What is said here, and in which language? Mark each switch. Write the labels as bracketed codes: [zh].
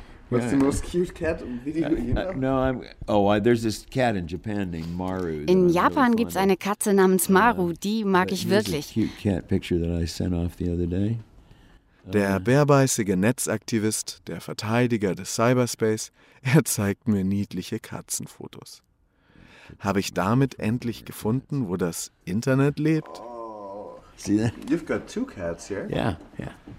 [en] What's the most cute cat video you know? There's this cat in Japan named Maru. [de] In Japan gibt's eine Katze namens Maru, die mag ich wirklich. [en] A cute cat picture that I sent off the other day. [de] Der bärbeißige Netzaktivist, der Verteidiger des Cyberspace, er zeigt mir niedliche Katzenfotos. Habe ich damit endlich gefunden, wo das Internet lebt? [en] See that? You've got two cats here. Yeah, yeah.